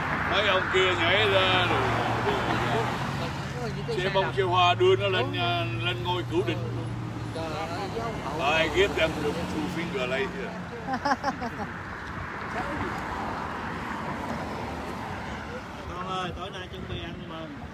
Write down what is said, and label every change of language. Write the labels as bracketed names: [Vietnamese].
[Vietnamese] Mấy ông kia nhảy ra rồi xe bông xe hoa đưa nó lên lên ngôi cửu đỉnh. [English] I give them the two finger later. [Vietnamese] Con ơi, tối nay chuẩn bị ăn mừng.